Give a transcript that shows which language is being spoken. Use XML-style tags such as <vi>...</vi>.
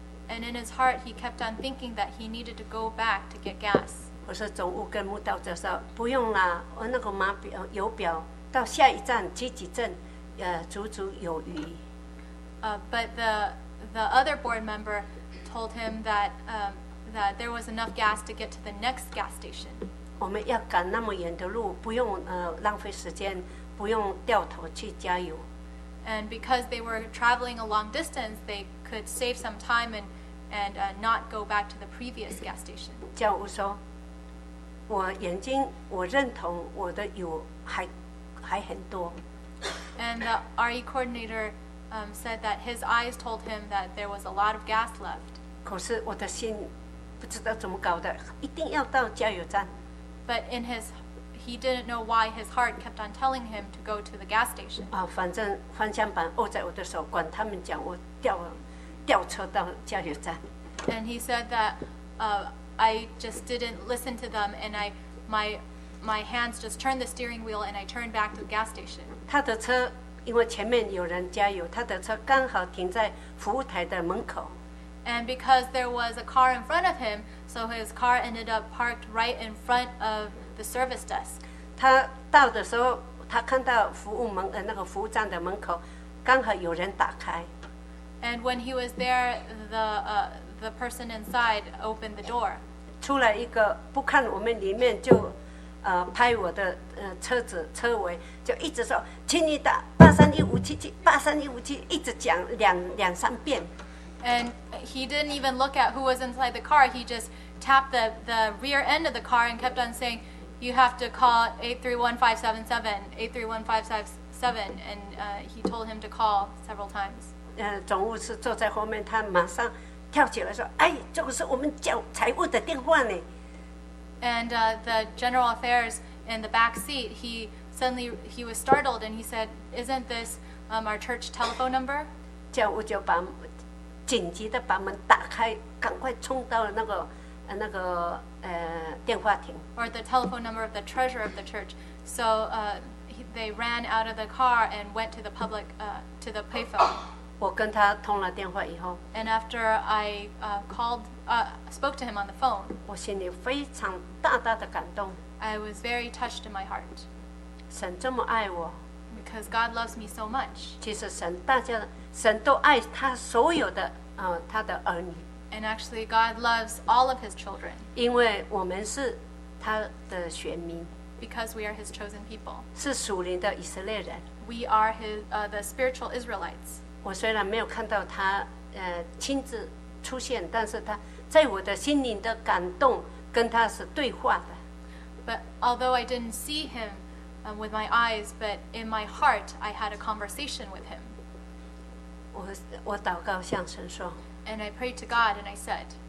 <en>And in his heart, he kept on thinking that he needed to go back to get gas.</en> <zh>我说总务跟慕道者说不用了，我那个码表油表。到下一站积极镇，足足有余。</zh> <en>But the other board member told him that that there was enough gas to get to the next gas station.</en> <zh>我们要赶那么远的路，不用浪费时间，不用掉头去加油。</zh> <en>And because they were traveling a long distance, they could save some time and not go back to the previous gas station.</en> <zh>教务说，我眼睛我认同我的油还很多。</zh> <en>And the RE coordinator said that his eyes told him that there was a lot of gas left.</en> <zh>可是我的心不知道怎么搞的，一定要到加油站。</zh> <en>But in his, he didn't know why his heart kept on telling him to go to the gas station.</en> <zh>反正方向盘握在我的手，管他们讲，我调车到加油站。</zh> <en>And he said that I just didn't listen to them, and my hands just turned the steering wheel and I turned back to the gas station.</en> <zh>他的车因为前面有人加油，他的车刚好停在服务台的门口。</zh> <en>And because there was a car in front of him, so his car ended up parked right in front of the service desk.</en> <zh>他到的时候，他看到服务门那个服务站的门口刚好有人打开。</zh> <en>And when he was there, the person inside opened the door.</en> <zh>出来一个不看我们里面就拍我的车子车尾，就一直说，请你打831577，831577，一直讲两三遍。</zh> <en>And he didn't even look at who was inside the car. He just tapped the rear end of the car and kept on saying, "You have to call 831577, 831577." And he told him to call several times.</en> <zh>总务是坐在后面，他马上跳起来说，哎，这个是我们叫财务的电话呢。</zh> <en>And the general affairs in the back seat, he was startled and he said, isn't this our church telephone number?</en> <zh>教务就把紧急的把门打开，赶快冲到了电话亭。</zh> <en>Or the telephone number of the treasurer of the church. So they ran out of the car and went to the public, to the payphone.</en> <zh>我跟他通了电话以后。</zh> <en>And after I spoke to him on the phone,</en> <zh>我心里非常大大的感动。</zh> <en>I was very touched in my heart.</en> <zh>神这么爱我。</zh> <en>Because God loves me so much.</en> <zh>其实神都爱他所有的他的儿女。</zh> <en>And actually, God loves all of his children.</en> <zh>因为我们是他的选民。</zh> <en>because we are his chosen people.</en> <zh>是属灵的以色列人。</zh> <en>We are his, the spiritual Israelites.</en> <zh>我虽然没有看到他亲自出现，但是他在我的心灵的感动跟他是对话的。</zh> <en>But although I didn't see him with my eyes, but in my heart, I had a conversation with him.</en> <zh>我祷告向神说。</zh> <en>And I prayed to God and I said,</en>